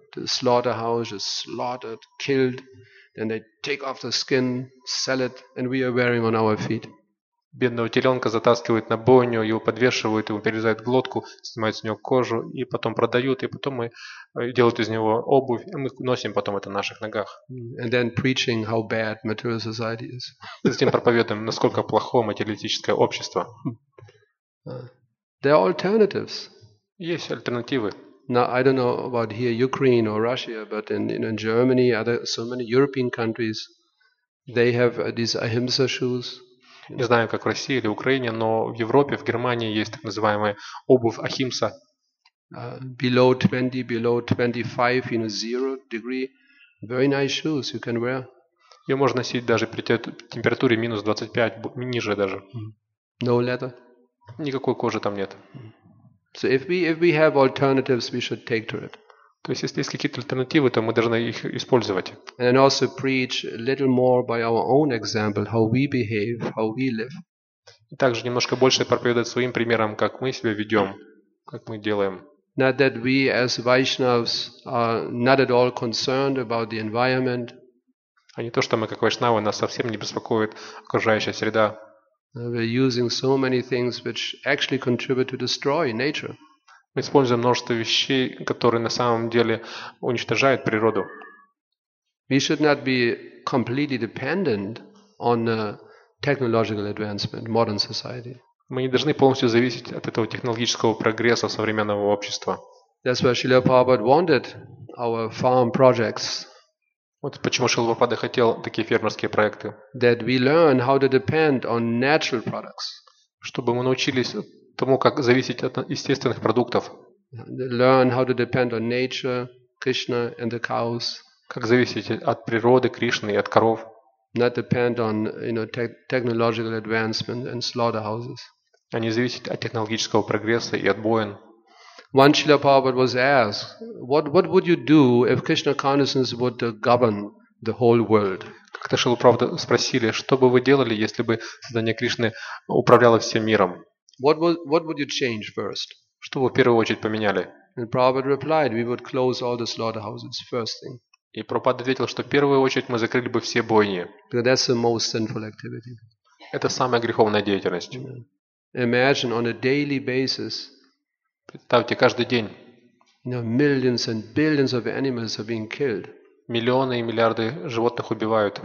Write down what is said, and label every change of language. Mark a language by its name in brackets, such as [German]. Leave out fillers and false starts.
[English] The slaughterhouse is slaughtered, killed, then they take off the skin, sell it, and we are wearing on our feet. [Russian] Бедного теленка затаскивают на бойню, его подвешивают, ему перерезают глотку, снимают с него кожу и потом продают, и потом мы делают из него обувь, и мы носим потом это на наших ногах. [English] And then preaching how bad material society is. [Russian] Затем проповедуем, насколько плохо материалистическое общество. [English] There are alternatives. [Russian] Есть альтернативы. [English] Now, I don't know about here Ukraine or Russia, but in Germany, other so many European countries, they have these ahimsa shoes. [Russian] Не знаю, как в России или Украине, но в Европе, в Германии есть так называемая обувь ахимса. [English] Below 25, you know, 0 degree, very nice shoes you can wear. [Russian] Ее можно носить даже при температуре -25, ниже даже. [English] No leather. [Russian] Никакой кожи там нет. [English] So if we have alternatives, we should take to it. [Russian] То есть если есть какие-то альтернативы, то мы должны их использовать. [English] And also preach a little more by our own example, how we behave, how we live. [Russian] И также немножко больше проповедовать своим примером, как мы себя ведем, как мы делаем. [English] Not that we as Vaishnavas are not at all concerned about the environment. [Russian] А не то, что мы как вайшнавы, нас совсем не беспокоит окружающая среда. [English] We're using so many things which actually contribute to destroy nature. [Russian] Мы используем множество вещей, которые на самом деле уничтожают природу. [English] We should not be completely dependent on technological advancement, modern society. [Russian] Мы не должны полностью зависеть от этого технологического прогресса современного общества. [English] That's why Srila Prabhupada wanted our farm projects. [Russian] Вот почему Шрила Прабхупада хотел такие фермерские проекты. [English] That we learn how to depend on natural products. [Russian] Чтобы мы научились тому, как зависеть от естественных продуктов. [English] Learn how to depend on nature, Krishna and the cows. [Russian] Как зависеть от природы, Кришны и от коров. [English] Not depend on, you know, technological advancement and slaughterhouses. [Russian] А не зависеть от технологического прогресса и от боен. [English] Once Srila Prabhupada was asked, what would you do if Krishna consciousness would govern the whole world? [Russian] Как-то Шрила Прабхупада спросили, что бы вы делали, если бы сознание Кришны управляло всем миром? [English] What would you change first? [Russian] Что бы в первую очередь поменяли? [English] And Prabhupada replied, we would close all the slaughterhouses first thing. [Russian] И Прабхупада ответил, что в первую очередь мы закрыли бы все бойни. [English] Because that's the most sinful activity. [Russian] Это самая греховная деятельность. [English] Yeah. Imagine on a daily basis. [Russian] Представьте, каждый день. [English] You know, millions and billions of animals are being killed. [Russian] Миллионы и миллиарды животных убивают.